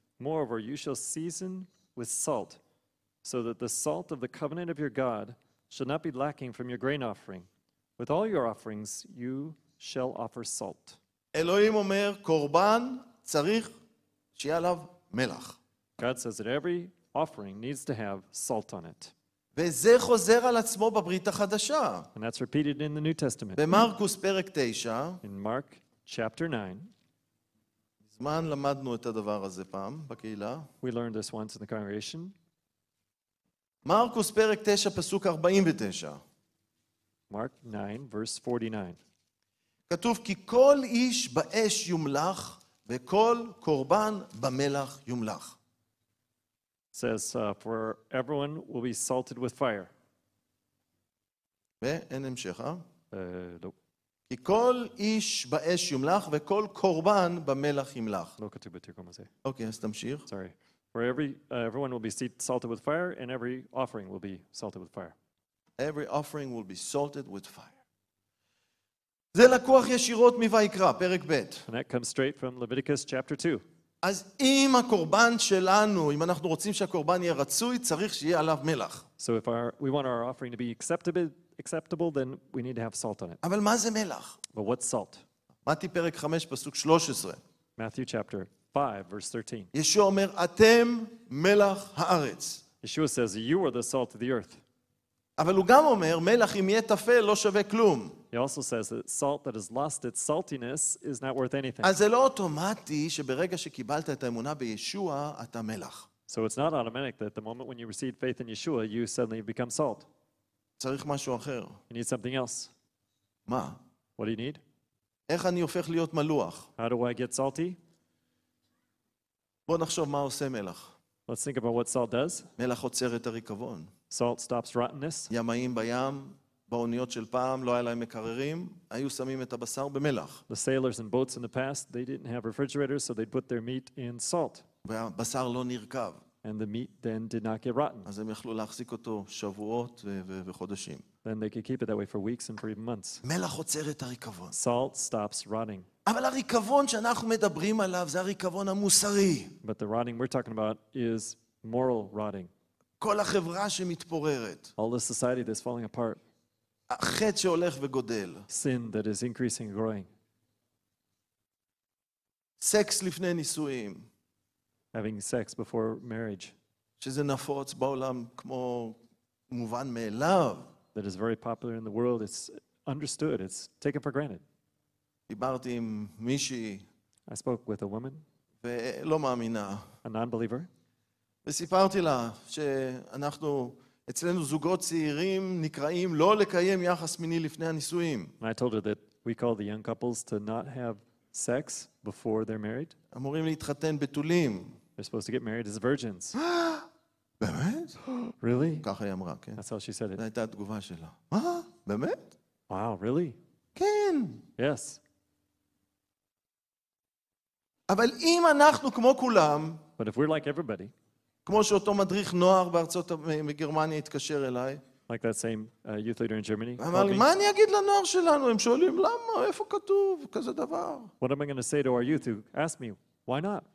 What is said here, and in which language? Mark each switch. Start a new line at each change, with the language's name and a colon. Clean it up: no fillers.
English: Moreover, you shall season with salt, so that the salt of the covenant of your God shall not be lacking from your grain offering. With all your offerings, you shall offer salt.
Hebrew: אלוהים אומר, קורבן צריך שיהיה עליו מלח.
English: God says that every offering needs to have salt on it.
Hebrew: וזה חוזר על עצמו בברית החדשה.
English: And that's repeated in the New Testament.
Hebrew: במרקוס פרק 9.
English: In Mark chapter 9.
Hebrew: זמן למדנו את הדבר הזה פעם בקהילה.
English: We learned this once in the congregation.
Hebrew: מרקוס פרק 9 פסוק 49.
English: Mark 9 verse 49.
Hebrew: כתוב כי כל איש באש יומלח וכל קורבן במלח יומלח.
English: Says for everyone will be salted with fire.
Hebrew: ואין המשך, אה? לא. כי כל איש באש ימלח וכל קורבן במלח ימלח. לא כתוב בתרגום הזה. אוקיי, אז תמשיך.
English: Sorry. For everyone will be salted with fire and every offering will be salted with fire. Every offering will be salted with fire.
Hebrew: זה לקוח ישירות מויקרא, פרק ב'.
English: And that comes straight from Leviticus chapter 2.
Hebrew: אז אם הקורבן שלנו, אם אנחנו רוצים שהקורבן יהיה רצוי, צריך שיהיה עליו מלח.
English: So if we want our offering to be acceptable, then we need to have salt on it.
Hebrew: אבל מה זה מלח?
English: But what's salt?
Hebrew: מתי פרק 5, פסוק 13.
English: Matthew chapter 5, verse 13.
Hebrew: ישוע אומר, אתם מלח הארץ.
English: Yeshua says, you are the salt of the earth.
Hebrew: אבל הוא גם אומר, מלח אם יהיה תפל לא שווה כלום.
English: He also says that salt that has lost its saltiness is not worth anything.
Hebrew: אז זה לא אוטומטי שברגע שקיבלת את האמונה בישוע, אתה מלח.
English: So it's not automatic that the moment when you received faith in Yeshua, you suddenly become salt.
Hebrew: צריך משהו אחר.
English: You need something else.
Hebrew: מה?
English: What do you need?
Hebrew: איך אני הופך להיות מלוח?
English: How do I get salty?
Hebrew: בוא נחשוב מה עושה מלח.
English: Let's think about what salt does.
Hebrew: מלח עוצר את הריקבון.
English: Salt stops rottenness.
Hebrew: ימאים בים. באוניות של פעם לא היה להם מקררים, היו שמים את הבשר במלח.
English: The sailors in boats in the past, they didn't have refrigerators, so they'd put their meat in salt.
Hebrew: והבשר לא נרקב.
English: And the meat then did not get rotten.
Hebrew: אז הם יכלו להחזיק אותו שבועות וחודשים.
English: Then they could keep it that way for weeks and for even months.
Hebrew: מלח עוצר את הריקבון.
English: Salt stops rotting.
Hebrew: אבל הריקבון שאנחנו מדברים עליו זה הריקבון המוסרי.
English: But the rotting we're talking about is moral rotting.
Hebrew: כל החברה שמתפוררת.
English: All the society that's falling apart.
Hebrew: חטא שהולך וגודל.
English: Sin that is increasing and growing.
Hebrew: sex לפני נישואים.
English: Having sex before marriage.
Hebrew: שזה נפוץ בעולם כמו מובן מאליו.
English: That is very popular in the world. It's understood. It's taken for granted.
Hebrew: דיברתי עם מישהי.
English: I spoke with a woman.
Hebrew: ולא מאמינה.
English: A non-believer.
Hebrew: וסיפרתי לה שאנחנו, אצלנו זוגות צעירים נקראים לא לקיים יחס מיני לפני הנישואים.
English: And I told her that we call the young couples to not have sex before they're married.
Hebrew: אמורים להתחתן בתולים.
English: They're supposed to get married as virgins.
Hebrew: באמת?
English: Really?
Hebrew: ככה היא אמרה, כן.
English: That's how she said it.
Hebrew: זו הייתה התגובה שלה. מה? באמת?
English: Wow, really?
Hebrew: כן.
English: Yes.
Hebrew: אבל אם אנחנו כמו כולם,
English: but if we're like everybody,
Hebrew: כמו שאותו מדריך נוער בארצות מגרמניה התקשר אליי,
English: like that same youth leader in Germany,
Hebrew: אמר לי, מה אני אגיד לנוער שלנו? הם שואלים, למה? איפה כתוב? כזה דבר.
English: What am I going to say to our youth who ask me, why not?